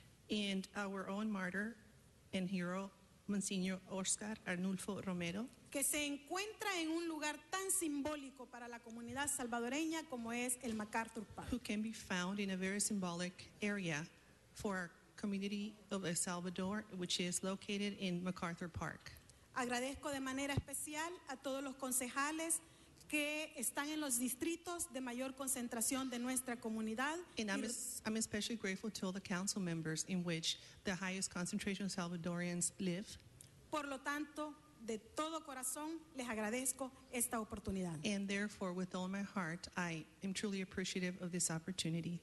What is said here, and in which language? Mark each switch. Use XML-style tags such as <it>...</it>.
<en>And our own martyr and hero, Monsignor Oscar Arnulfo Romero,</en> <es>que se encuentra en un lugar tan simbólico para la comunidad salvadoreña como es el MacArthur Park.</es> <en>Who can be found in a very symbolic area for our community of El Salvador, which is located in MacArthur Park.</en> <es>Agradezco de manera especial a todos los concejales que están en los distritos de mayor concentración de nuestra comunidad.</es> <en>And I'm especially grateful to all the council members in which the highest concentration of Salvadorians live.</en> <es>Por lo tanto, de todo corazón, les agradezco esta oportunidad.</es> <en>And therefore, with all my heart, I am truly appreciative of this opportunity.</en>